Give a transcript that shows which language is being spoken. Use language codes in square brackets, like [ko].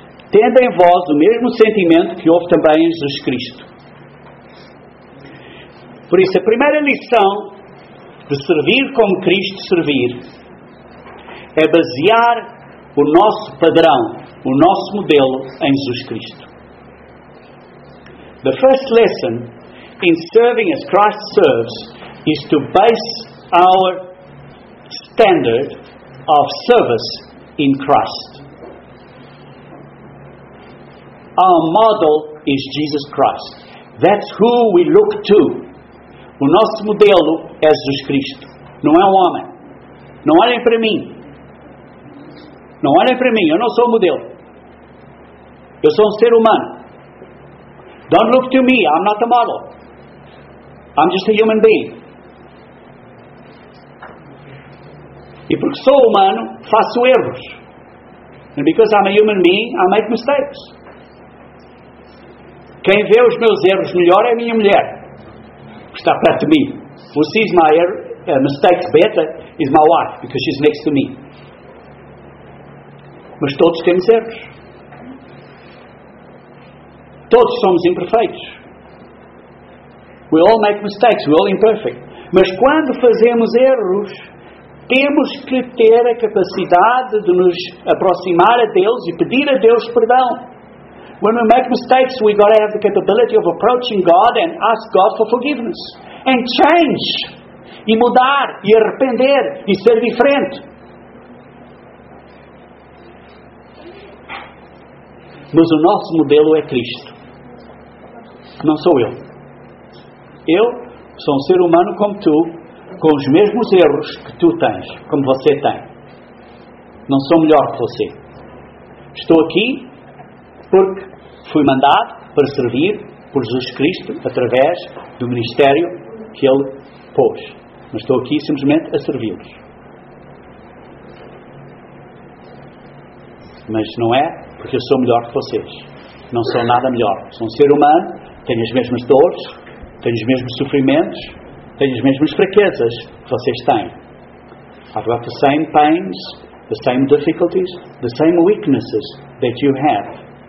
[pt] Tendo em vós o mesmo sentimento que houve também em Jesus Cristo. Por isso, a primeira lição de servir como Cristo servir é basear o nosso padrão, o nosso modelo em Jesus Cristo. [en] The first lesson in serving as Christ serves is to base our standard of service in Christ. Our model is Jesus Christ. That's who we look to. [pt] O nosso modelo é Jesus Cristo. Não é um homem. Não olhem para mim. Não olhem para mim. Eu não sou o modelo. Eu sou um ser humano. [en] Don't look to me. I'm not a model. I'm just a human being. [pt] E porque sou humano, faço erros. [en] And because I'm a human being, I make mistakes. [pt] Quem vê os meus erros melhor é a minha mulher. Está perto de mim. [en] Who sees my mistakes better is my wife, because she's next to me. [pt] Mas todos temos erros. Todos somos imperfeitos. [en] We all make mistakes, we're all imperfect. [pt] Mas quando fazemos erros, temos que ter a capacidade de nos aproximar a Deus e pedir a Deus perdão. [en] When we make mistakes, we got to have the capability of approaching God and ask God for forgiveness. And change. [pt] E mudar. E arrepender. E ser diferente. Mas o nosso modelo é Cristo. Não sou eu. Eu sou um ser humano como tu, com os mesmos erros que tu tens, como você tem. Não sou melhor que você. Estou aqui porque fui mandado para servir por Jesus Cristo através do ministério que Ele pôs. Mas estou aqui simplesmente a servi-los. Mas não é porque eu sou melhor que vocês. Não sou nada melhor. Sou um ser humano, tenho as mesmas dores, tenho os mesmos sofrimentos, tenho as mesmas fraquezas que vocês têm. [en] I've got the same pains, the same difficulties, the same weaknesses that you have.